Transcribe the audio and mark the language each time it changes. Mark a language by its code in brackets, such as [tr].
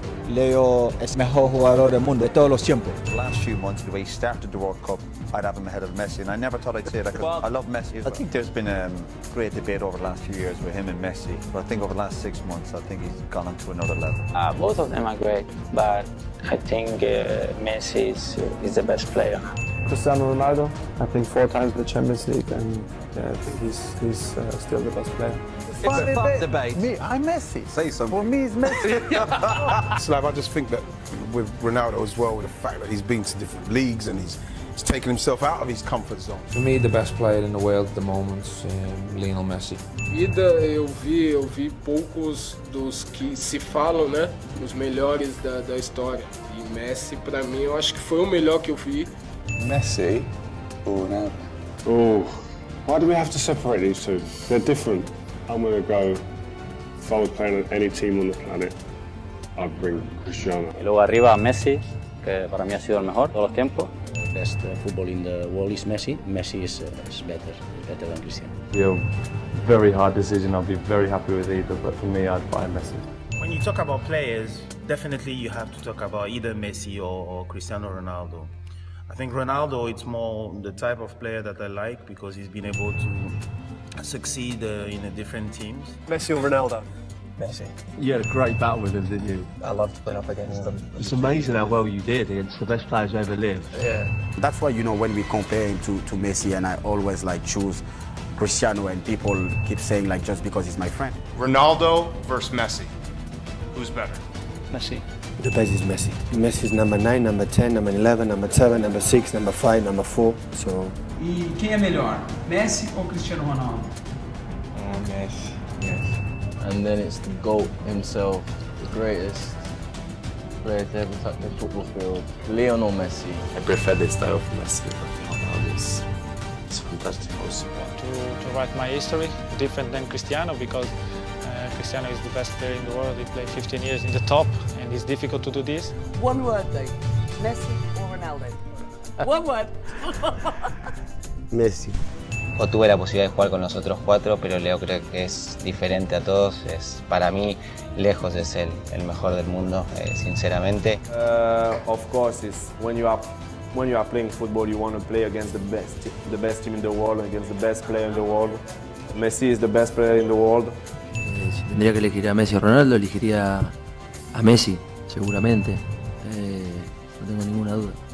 [es] Leo es mejor jugador del mundo de todos los tiempos. [en] The last few months, the way he started the World Cup, I'd have him ahead of Messi, and I never thought I'd say that. Well, I love Messi as well. I think there's been a great debate over the last few years with him and Messi, but I think over the last 6 months, I think he's gone on to another level. Both of them are great, but I think Messi is the best player. Cristiano Ronaldo, I think 4 times in the Champions League, and I think he's still the best player. It's a fun debate. Me, I'm Messi. Say something. For me, it's Messi. Slav, I just think that with Ronaldo as well, with the fact that he's been to different leagues and he's taken himself out of his comfort zone. For me, the best player in the world at the moment is Lionel Messi. [pt] Vida, eu vi poucos dos que se falam, né? Os melhores da história. E Messi, para mim, eu acho que foi o melhor que eu vi. [en] Messi or Ronaldo? Oh, why do we have to separate these two? They're different. I'm going to go, if I was playing on any team on the planet, I'd bring Cristiano. [es] Y luego arriba Messi, que para mí ha sido el mejor todos los tiempos. [en] The best football in the world is Messi. Messi is better than Cristiano. Yeah, very hard decision. I'd be very happy with either, but for me, I'd buy Messi. When you talk about players, definitely you have to talk about either Messi or Cristiano Ronaldo. I think Ronaldo, it's more the type of player that I like because he's been able to succeed in different teams. Messi or Ronaldo? Messi. You had a great battle with him, didn't you? I loved playing up against him. It's amazing how well you did. It's the best players ever lived. Yeah. That's why, you know, when we compare him to Messi, and I always like choose Cristiano, and people keep saying, like, just because he's my friend. Ronaldo versus Messi. Who's better? Messi. The best is Messi. Messi's number 9, number 10, number 11, number 7, number 6, number 5, number 4, so... [pt] E quem é melhor, Messi ou Cristiano Ronaldo? Messi. [en] Yes. And then it's the GOAT himself, the greatest player to ever touch the football field, Lionel Messi. I prefer the style of Messi, Ronaldo is... it's fantastic also. To write my history, different than Cristiano, because Cristiano is the best player in the world. He played 15 years in the top, and it's difficult to do this. One word, though. Messi or Ronaldo? One word. Messi. [es] Yo tuve la posibilidad de jugar con los otros cuatro, pero Leo creo que es diferente a todos. Es, para mí, lejos es el mejor del mundo, sinceramente. [en] Of course, it's when you are playing football, you want to play against the best team in the world, against the best player in the world. Messi is the best player in the world. [es] Si tendría que elegir a Messi o Ronaldo, elegiría a Messi, seguramente. No tengo ninguna duda.